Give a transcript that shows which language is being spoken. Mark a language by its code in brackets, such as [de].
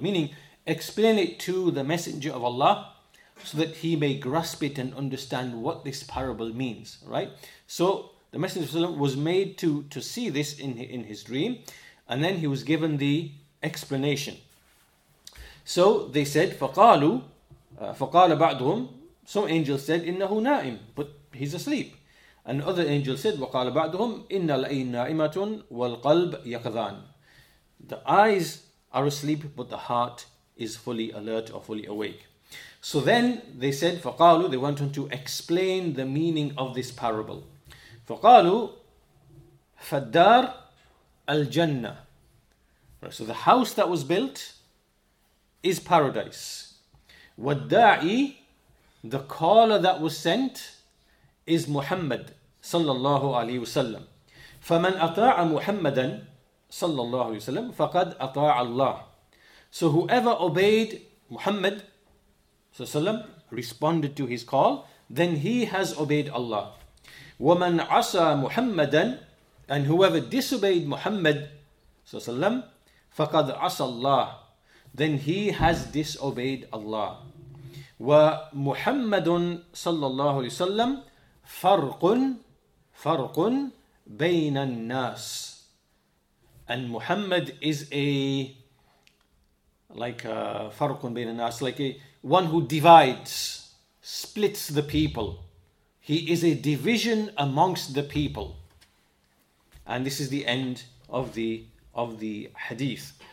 [en] Meaning, explain it to the Messenger of Allah so that he may grasp it and understand what this parable means, right? So the Messenger of Allah was made to see this in his dream, and then he was given the explanation. So they said, [ar] فَقَالُوا فَقَالَ بَعْضُهُمْ. [en] Some angel said, [ar] إِنَّهُ نَائِمْ, [en] but he's asleep. And other angel said, [ar] وَقَالَ بَعْضُهُمْ إِنَّ الْعَيْنَ نَائِمَةٌ وَالْقَلْبُ يَقْذَانِ. [en] The eyes are asleep, but the heart is fully alert or fully awake. So then they said, [ar] فَقَالُوا. [en] They went on to explain the meaning of this parable. [ar] فَقَالُوا فَالدَّارُ الْجَنَّةِ. [en] Right, so the house that was built is paradise. وَالدَّاعِي, the caller that was sent, is Muhammad sallallahu alayhi wasallam. [ar] فَمَنْ أَطَاعَ مُحَمَّدًا sallallahu alayhi wasallam فَقَدْ أَطَاعَ اللَّهِ. [en] So whoever obeyed Muhammad sallallahu alayhi wasallam, responded to his call, then he has obeyed Allah. [ar] وَمَنْ عَصَى مُحَمَّدًا. [en] And whoever disobeyed Muhammad sallallahu alayhi wasallam [ar] فَقَدْ عَصَى اللَّهِ, [en] then he has disobeyed Allah. [ar] وَمُحَمَّدٌ sallallahu alayhi wasallam فَرْقٌ بَيْنَ النَّاسِ. [en] And Muhammad is a [ar] فَرْقٌ بَيْنَ النَّاسِ, [en] like a one who divides, splits the people. He is a division amongst the people. And this is the end of the hadith.